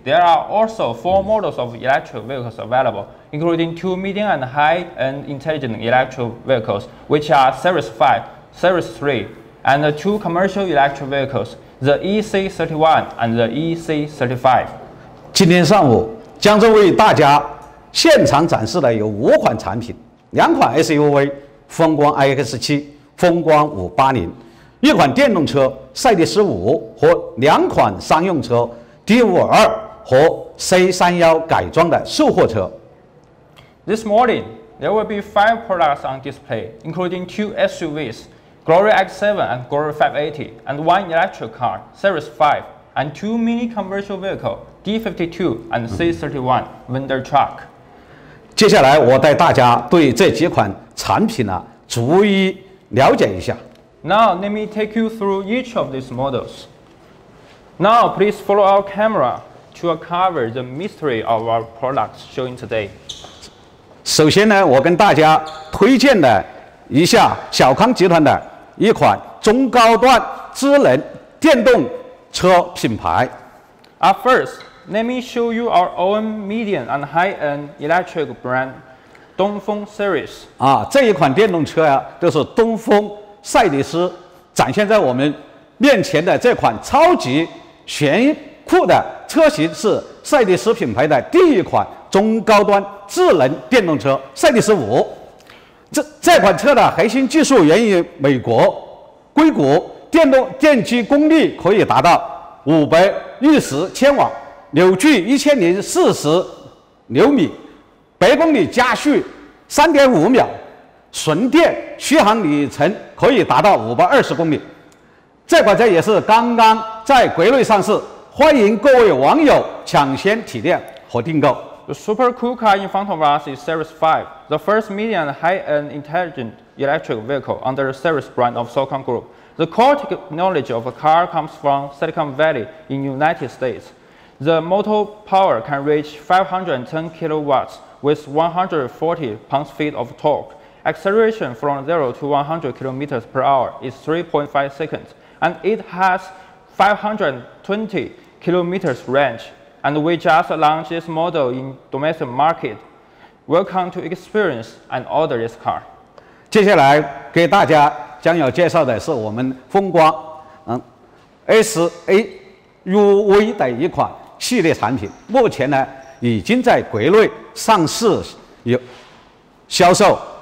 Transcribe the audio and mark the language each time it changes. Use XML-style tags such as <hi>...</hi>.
<en>There are also 4 models of electric vehicles available, including 2 medium and high end intelligent electric vehicles, which are Series 5, Series 3, and 2 commercial electric vehicles, the EC31 and the EC35.</en> <zh>今天上午，江州为大家现场展示了有5款产品。 2款 SUV 风光 iX7 风光580，1款电动车赛迪斯5和2款商用车 D52 和 C31 改装的售货车。</zh> <en>This morning, there will be 5 products on display, including 2 SUVs, Glory X7 and Glory 580, and 1 electric car, Series 5, and 2 mini commercial vehicles, D52 and C31 vendor truck.</en> <zh>接下来我带大家对这几款产品呢逐一了解一下。</zh> <en>Now, let me take you through each of these models. Now, please follow our camera to uncover the mystery of our products showing today.</en> <zh>首先呢，我跟大家推荐的一下小康集团的一款中高端智能电动车品牌。</zh> <en>First,Let me show you our own medium and high-end electric brand, 东风 Series.</en> <zh>啊，这一款电动车呀，就是东风赛迪斯展现在我们面前的这款超级炫酷的车型，是赛迪斯品牌的第一款中高端智能电动车赛迪斯5。这款车的核心技术源于美国硅谷电动电机功率可以达到510千瓦，扭矩1040牛米，百公里加速3.5秒，纯电续航里程可以达到520公里。这款车也是刚刚在国内上市，欢迎各位网友抢先体验和订购。</zh> <en>The super cool car in front of us is Series 5, the first medium and high-end intelligent electric vehicle under the Series brand of Silicon Group. The core technology of a car comes from Silicon Valley in the United States. The motor power can reach 510 kilowatts with 140 pounds-feet of torque. Acceleration from 0 to 100 kilometers per hour is 3.5 seconds, and it has 520 kilometers range. And we just launched this model in domestic market. Welcome to experience and order this car.</en> <zh>接下来给大家将要介绍的是我们风光SUV 的一款系列产品，目前呢已经在国内上市有销售，</zh>